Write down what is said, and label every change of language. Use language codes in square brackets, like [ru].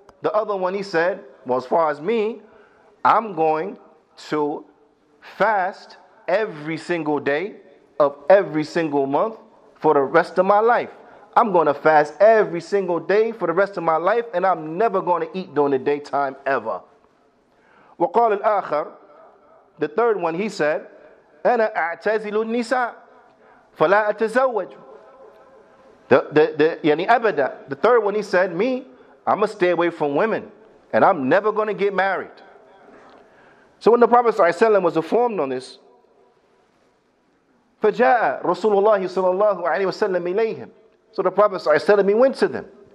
[en] The other one, he said, well, as far as me, I'm going to fast every single day of every single month for the rest of my life. I'm going to fast every single day for the rest of my life, and I'm never going to eat during the daytime ever. [ar] وقال الآخر, [en] the third one, he said, [ar] أنا أعتزل النساء فلا أتزوج. [en] The third one, he said, me, I'm going to stay away from women, and I'm never going to get married. So when the Prophet sallallahu alaihi wasallam was informed on this, [ar] فَجَاءَ رَسُولُ اللَّهِ صَلَى اللَّهُ عَلَيْهِ وَسَلَّمْ إِلَيْهِمْ, [en] so the Prophet sallallahu alaihi wasallam, he went to them.